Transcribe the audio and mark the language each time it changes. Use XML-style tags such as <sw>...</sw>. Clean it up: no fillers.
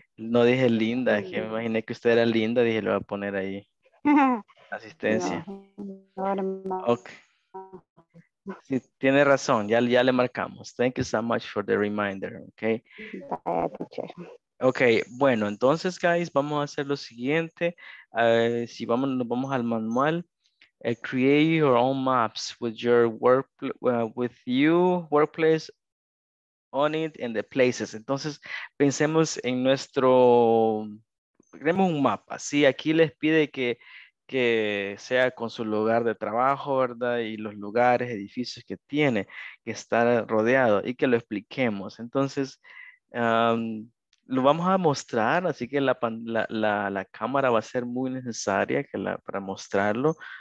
<es>No dije linda. Sí. Que me imaginé que usted era linda. Dije, le voy a poner ahí. Asistencia. No. Ok. Sí, tiene razón. Ya le marcamos.</es> <en>Thank you so much for the reminder. Ok. Bye, teacher. Ok.</en> <es>Bueno, entonces, guys, vamos a hacer lo siguiente. Nos vamos al manual.</es> <en>Create your own maps with your work, with you workplace on it and the places.</en> <es>Entonces, pensemos en nuestro, creemos un mapa. Sí, aquí les pide que sea con su lugar de trabajo, ¿verdad? Y los lugares, edificios que tiene, que está rodeado y que lo expliquemos. Entonces, lo vamos a mostrar, así que la cámara va a ser muy necesaria para mostrarlo.</es>